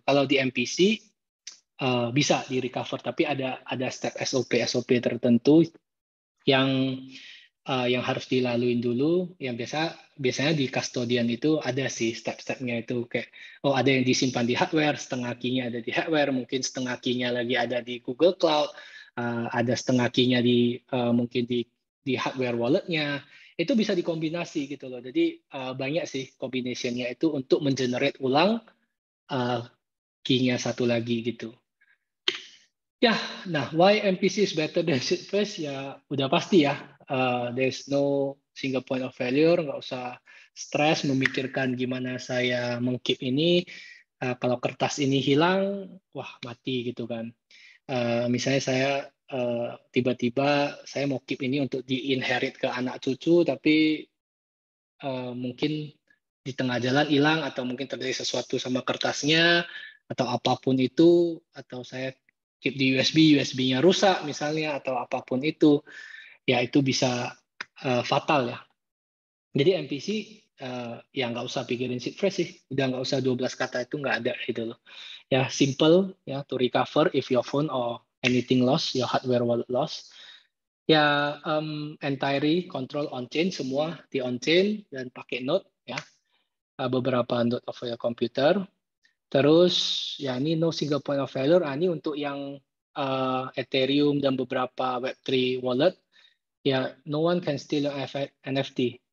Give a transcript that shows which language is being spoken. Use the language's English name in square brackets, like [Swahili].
[Indonesian] Kalau di MPC bisa di recover, tapi ada step SOP tertentu yang harus dilaluin dulu, yang biasanya di custodian itu ada sih step-stepnya itu, kayak oh ada yang disimpan di hardware, setengah key-nya ada di hardware, mungkin setengah key-nya lagi ada di Google Cloud, ada setengah key-nya di mungkin di hardware wallet-nya, itu bisa dikombinasi gitu loh. Jadi banyak sih combination-nya itu untuk mengenerate ulang key-nya satu lagi gitu. Ya, nah, [English] why MPC is better than shitface? [Indonesian] Ya, udah pasti ya. [English] There's no single point of failure. [Indonesian] Nggak usah stres memikirkan gimana saya mengkip ini. Kalau kertas ini hilang, wah, mati gitu kan. Misalnya saya tiba-tiba saya mau keep ini untuk diinherit ke anak cucu, tapi mungkin di tengah jalan hilang, atau mungkin terjadi sesuatu sama kertasnya, atau apapun itu, atau saya keep di USB, USB-nya rusak misalnya, atau apapun itu, ya itu bisa fatal ya. Jadi MPC ya nggak usah pikirin seed phrase sih, udah nggak usah 12 kata itu, nggak ada gitu loh. [English] Ya simple ya, to recover if your phone or anything lost, your hardware wallet lost. [Indonesian] Ya [English] entirely control on chain, [Indonesian] semua di on chain dan pakai node ya, beberapa node [English] of your computer. [Indonesian] Terus ya ini [English] no single point of failure. [Indonesian] Ini untuk yang Ethereum dan beberapa Web3 wallet. [English] Ya no one can steal your NFT.